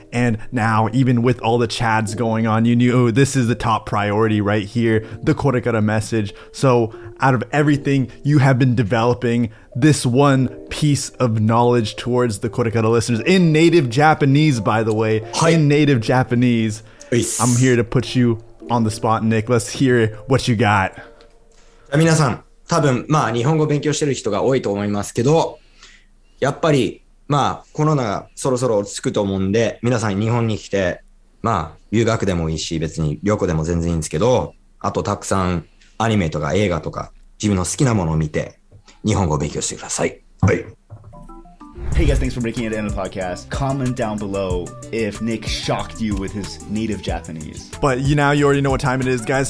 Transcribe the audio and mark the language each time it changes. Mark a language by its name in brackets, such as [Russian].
[English] And now, even with all the chads going on, you knew, oh, this is the top priority right here, the Korekara message. So out of everything you have been developing, this one piece of knowledge towards the Korekara listeners, in native Japanese, by the way, in native Japanese, I'm here to put you on the spot, Nick. Let's hear what you got. [Japanese] 皆さん、多分、まあ、日本語を勉強している人が多いと思いますけど、やっぱり、まあ、コロナがそろそろ落ち着くと思うんで、皆さん日本に来て、まあ、留学でもいいし、別に旅行でも全然いいんですけど、あとたくさんアニメとか映画とか、自分の好きなものを見て、日本語を勉強してください。はい。 [English] Hey guys, thanks for making it to the end of the podcast. Comment down below if Nick shocked you with his native Japanese. But you now you already know what time it is, guys.